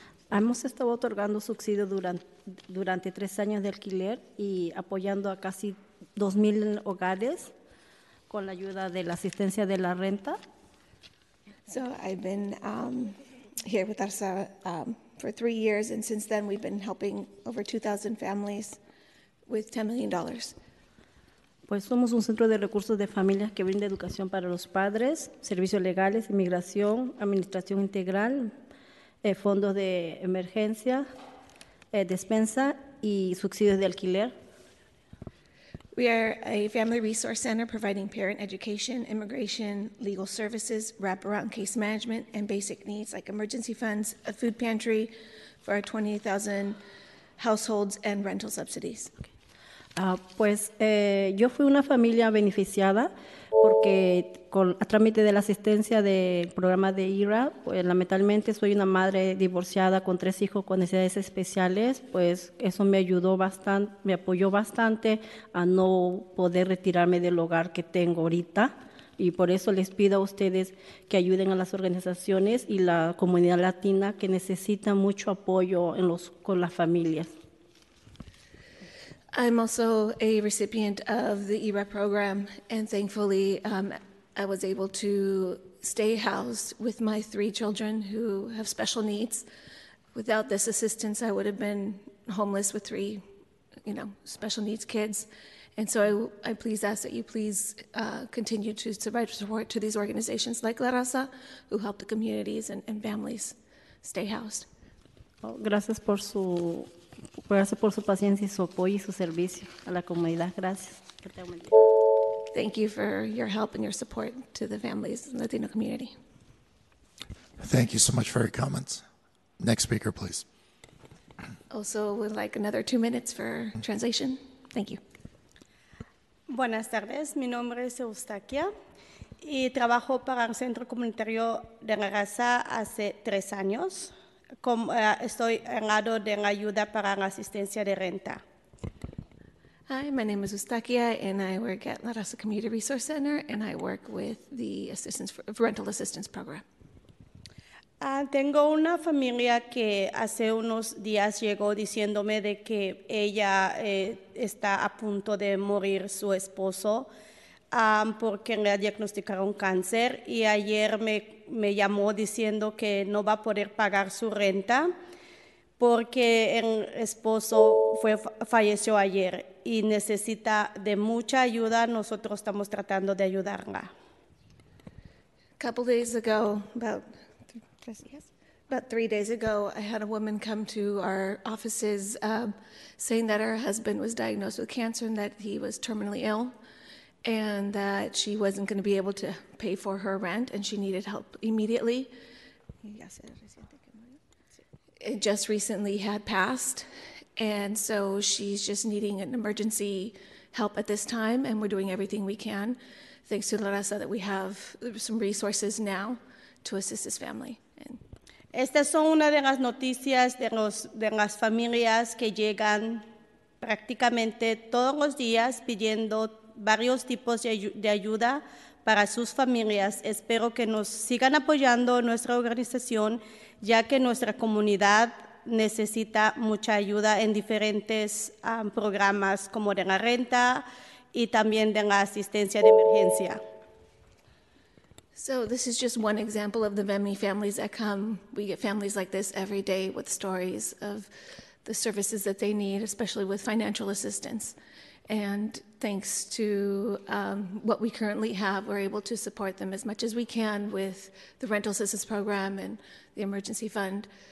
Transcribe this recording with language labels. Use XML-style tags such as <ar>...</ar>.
<es>Hemos estado otorgando subsidio durante 3 años de alquiler y apoyando a casi 2,000 hogares con la ayuda de la asistencia de la renta.</es> <en>So I've been here with us for 3 years, and since then we've been helping over 2,000 families with $10 million.</en> <es>Pues somos un centro de recursos de familias que brinda educación para los padres, servicios legales, inmigración, administración integral, fondos de emergencia, despensa y subsidios de alquiler.</es> <en>We are a family resource center providing parent education, immigration, legal services, wraparound case management, and basic needs like emergency funds, a food pantry for our 20,000 households, and rental subsidies. Okay.</en> <es>Pues yo fui una familia beneficiada porque con a trámite de la asistencia del programa de IRA, pues lamentablemente soy una madre divorciada con 3 hijos con necesidades especiales, pues eso me ayudó bastante, me apoyó bastante a no poder retirarme del hogar que tengo ahorita. Y por eso les pido a ustedes que ayuden a las organizaciones y la comunidad latina que necesita mucho apoyo en los, con las familias.</es> <en>I'm also a recipient of the IRA program, and thankfully I was able to stay housed with my 3 children who have special needs. Without this assistance, I would have been homeless with 3, you know, special needs kids. And so I please ask that you please continue to provide support to these organizations like La Raza, who help the communities and families stay housed.</en> <es>Oh, gracias por su... Gracias por su paciencia y su apoyo y su servicio a la comunidad. Gracias.</es> <en>Thank you for your help and your support to the families in the Latino community. Thank you so much for your comments. Next speaker, please. Also, would like another 2 minutes for translation. Thank you.</en> <es>Buenas tardes. Mi nombre es Eustaquia y trabajo para el Centro Comunitario de La Raza hace 3 años. Estoy en lado de la ayuda para la asistencia de renta.</es> <en>Hi, my name is Eustaquia, and I work at La Raza Community Resource Center, and I work with the rental assistance program.</en> <es>Tengo una familia que hace unos días llegó diciéndome de que ella está a punto de morir su esposo porque le diagnosticaron cáncer, y ayer me llamó diciendo que no va a poder pagar su renta porque el esposo falleció ayer y necesita de mucha ayuda. Nosotros estamos tratando de ayudarla.</es> <en>Couple days ago, about 3 days ago, I had a woman come to our offices saying that her husband was diagnosed with cancer and that he was terminally ill and that she wasn't going to be able to pay for her rent and she needed help immediately. It just recently had passed, and so she's just needing an emergency help at this time, and we're doing everything we can, thanks to La Raza, that we have some resources now to assist this family.</en> <es>Estas son una de las noticias de las familias que llegan prácticamente todos los días pidiendo varios tipos de ayuda para sus familias. Espero que nos sigan apoyando nuestra organización, ya que nuestra comunidad necesita mucha ayuda en diferentes programas como de la renta y también de la asistencia de emergencia.</es> <en>So this is just one example of the many families that come. We get families like this every day with stories of the services that they need, especially with financial assistance. And thanks to what we currently have, we're able to support them as much as we can with the rental assistance program and the emergency fund.</en>